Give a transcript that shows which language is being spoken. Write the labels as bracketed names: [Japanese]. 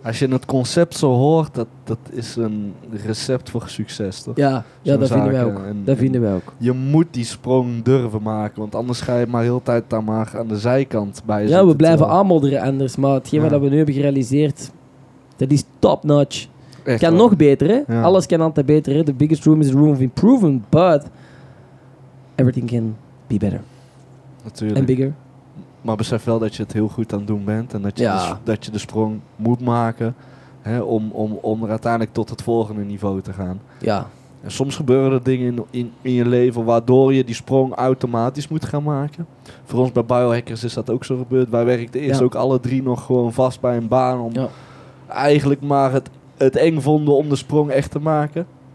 [Dutch] Als je het concept zo hoort, dat is een recept voor succes, toch? Ja dat vinden wij ook. Je moet die sprong durven maken. Want anders ga je maar heel de tijd dan maar aan de zijkant bij zitten. Ja, we blijven aanmodderen anders. Maar hetgeen wat we nu hebben gerealiseerd, dat is top-notch. Het kan nog beter, hè? Ja. Alles kan altijd beter. Hè? [English] The biggest room is the room of improvement, but everything can be better. [Dutch] Natuurlijk. En bigger. Maar besef wel dat je het heel goed aan het doen bent en dat je, dat je de sprong moet maken, hè, om er uiteindelijk tot het volgende niveau te gaan. Ja. En soms gebeuren er dingen in je leven waardoor je die sprong automatisch moet gaan maken. Voor ons bij Biohackers is dat ook zo gebeurd. Wij werkten eerst ook alle drie nog gewoon vast bij een baan om eigenlijk maar het eng vonden om de sprong echt te maken.